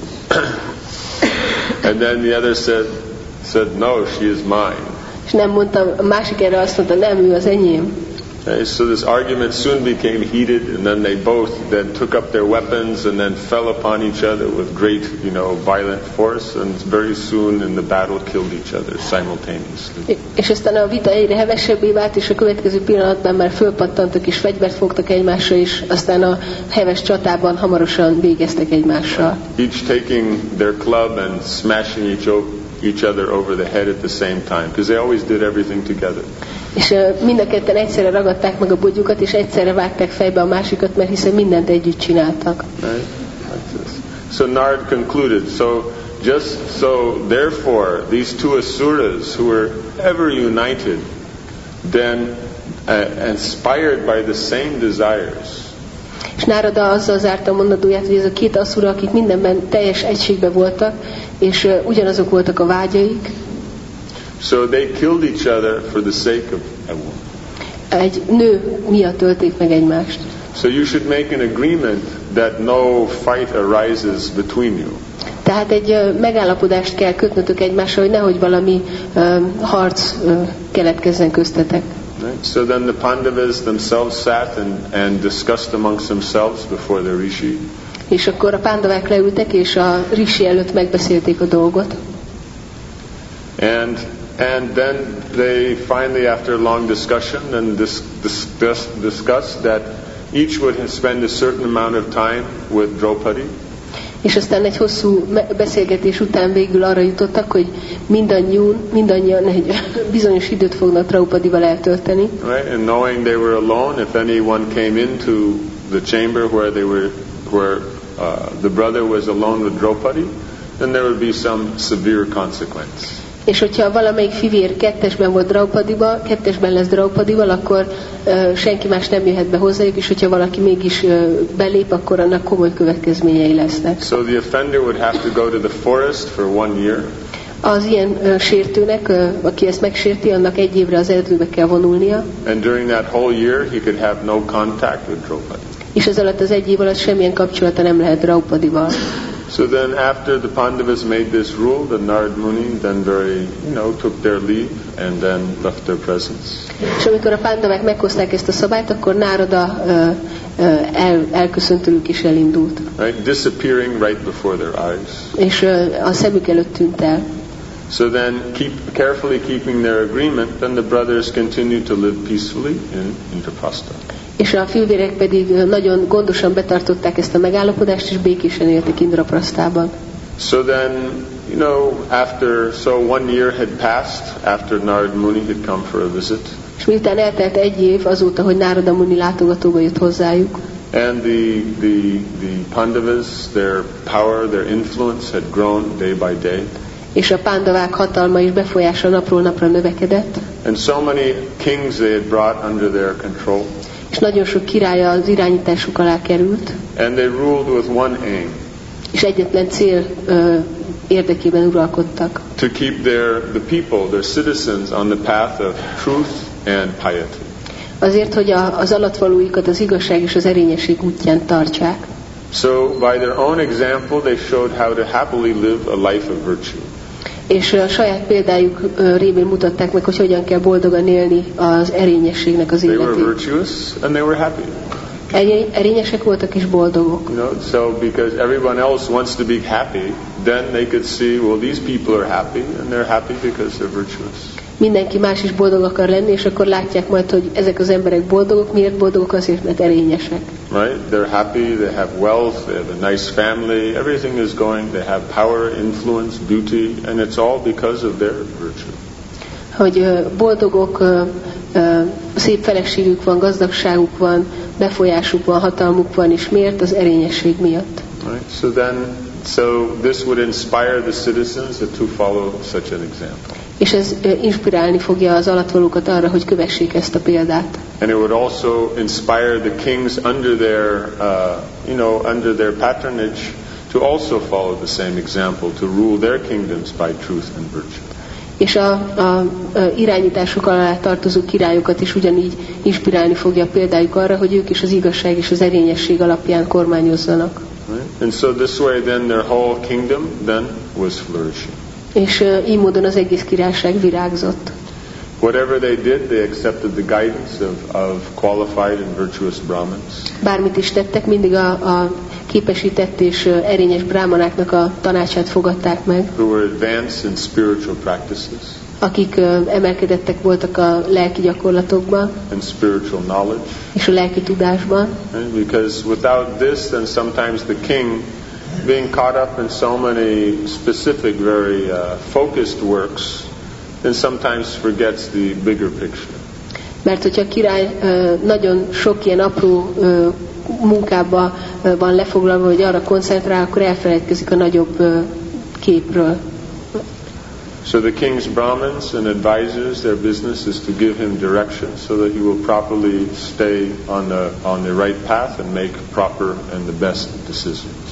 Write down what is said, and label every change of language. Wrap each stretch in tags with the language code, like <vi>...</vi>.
<en>And then the other said, no, she is mine.</en> <hu>És nem mondta, a másik erre azt mondta, nem, ő az enyém.</hu> <en>Okay, so this argument soon became heated, and then they both then took up their weapons and then fell upon each other with great, you know, violent force, and very soon in the battle killed each other simultaneously.</en> <hu>És aztán a vita egyre hevesebbé vált, és a következő pillanatban már fölpattantak és fegyvert fogtak egymásra, és aztán a heves csatában hamarosan végeztek egymással.</hu> <en>Each taking their club and smashing each other over the head at the same time, because they always did everything together.</en> <hu>És mind a ketten egyszerre ragadták meg a bogyukat, és egyszerre vágták fejbe a másikat, mert hiszen mindent együtt csináltak.</hu> <en>Right. So Narad concluded, so just so therefore these two asuras who were ever united then inspired by the same desires.</en> <hu>És Narada azzal zárta a mondatóját, hogy ez a két asura, akik mindenben teljes egységben voltak, és ugyanazok voltak a vágyaik.</hu> <en>So they killed each other for the sake of a woman.</en> <hu>Egy nő miatt ölték meg egymást.</hu> <en>So you should make an agreement that no fight arises between you.</en> <hu>Tehát egy megállapodást kell kötnötök egymással, hogy nehogy valami harc keletkezzen köztetek.</hu> <en>Right. So then the Pandavas themselves sat and discussed amongst themselves before the Rishi.</en> <hu>És akkor a Pandavák leültek, és a Rishi előtt megbeszélték a dolgot.</hu> <en>And then they finally, after a long discussion, and discussed that each would spend a certain amount of time with Draupadi.</en> <hu>És aztán egy hosszú beszélgetés után végül arra jutottak, hogy mindannyian egy bizonyos időt fognak Draupadival eltölteni.</hu> <en>Right, and knowing they were alone, if anyone came into the chamber where they were, where the brother was alone with Draupadi, then there would be some severe consequence.</en> <hu>És hogyha valamelyik fivér kettesben volt Draupadival, kettesben lesz Draupadival, akkor senki más nem jöhet be hozzájuk, és hogyha valaki mégis belép, akkor annak komoly következményei lesznek.</hu> <en>So the offender would have to go to the forest for one year.</en> <hu>Az ilyen sértőnek, aki ezt megsérti, annak egy évre az erdőbe kell vonulnia.</hu> <en>And during that whole year he could have no contact with Draupadi.</en> <hu>És ez alatt az egy év alatt semmilyen kapcsolata nem lehet Draupadival.</hu> <en>So then after the Pandavas made this rule, the Narad Muni then very, you know, took their leave and then left their presence.</en> <hu>És amikor a Pandavák meghozták ezt a szabályt, akkor Narada elköszönt tőlük és elindult.</hu> <en>Right, disappearing right before their eyes.</en> <hu>És a szemük előtt tűnt el.</hu> <en>So then carefully keeping their agreement, then the brothers continued to live peacefully in Indraprastha.</en> <hu>És a fivérek pedig nagyon gondosan betartották ezt a megállapodást, és békésen éltek Indraprasztában.</hu> <en>So then, you know, after, so one year had passed, after Narad Muni had come for a visit.</en> <hu>És miután eltelt egy év azóta, hogy Narada Muni látogatóba jött hozzájuk.</hu> <en>And the Pandavas, their power, their influence had grown day by day.</en> <hu>És a Pandavák hatalma és befolyása napról napra növekedett.</hu> <en>And so many kings they had brought under their control.</en> <hu>És nagyon sok királya az irányításuk alá került.</hu> <en>And they ruled with one aim.</en> <hu>És egyetlen cél érdekében uralkodtak.</hu> <en>To keep the people, their citizens on the path of truth and piety.</en> <hu>Azért, hogy az alattvalóikat az igazság és az erényesség útján tartsák.</hu> <en>So by their own example they showed how to happily live a life of virtue.</en> <hu>És a saját példájuk révén mutatták meg, hogy hogyan kell boldogan élni az erényességnek az életét.</hu> <en>They were virtuous and they were happy.</en> <hu>Erényesek voltak és boldogok.</hu> <en>You know, so because everyone else wants to be happy, then they could see, well, these people are happy and they're happy because they're virtuous.</en> <hu>Mindenki más is boldog akar lenni, és akkor látják majd, hogy ezek az emberek boldogok. Miért boldogok? Azért, mert erényesek.</hu> <en>Right? They're happy, they have wealth, they have a nice family, everything is going, they have power, influence, beauty, and it's all because of their virtue.</en> <hu>Hogy boldogok, szép feleségük van, gazdagságuk van, befolyásuk van, hatalmuk van, és miért? Az erényesség miatt.</hu> <en>Right? So then, so this would inspire the citizens to follow such an example.</en> <hu>És ez inspirálni fogja az alattvalókat arra, hogy kövessék ezt a példát.</hu> <en>And it would also inspire the kings under their, you know, under their patronage to also follow the same example, to rule their kingdoms by truth and virtue.</en> <hu>És a irányításuk alá tartozó királyokat is ugyanígy inspirálni fogja a példájuk arra, hogy ők is az igazság és az erényesség alapján kormányozzanak.</hu> <en>Right. And so this way then their whole kingdom then was flourishing.</en> <hu>És így módon az egész királyság virágzott.</hu> <en>Whatever they did, they accepted the guidance of qualified and virtuous Brahmins.</en> <hu>Bármit is tettek, mindig a képesített és erényes brámanáknak a tanácsát fogadták meg.</hu> <en>Who were advanced in spiritual practices.</en> <hu>Akik emelkedettek voltak a lelki gyakorlatokban.</hu> <en>And spiritual knowledge.</en> <hu>És a lelki tudásban.</hu> <en>And because without this, then sometimes the king, being caught up in so many specific, very focused works, and sometimes forgets the bigger picture.</en> <hu>Mert hogyha a király nagyon sok ilyen apró munkába van lefoglalva, hogy arra koncentrál, akkor elfelejtkezik a nagyobb képről.</hu> <en>So the king's brahmins and advisors, their business is to give him direction so that he will properly stay on the right path and make proper and the best decisions.</en>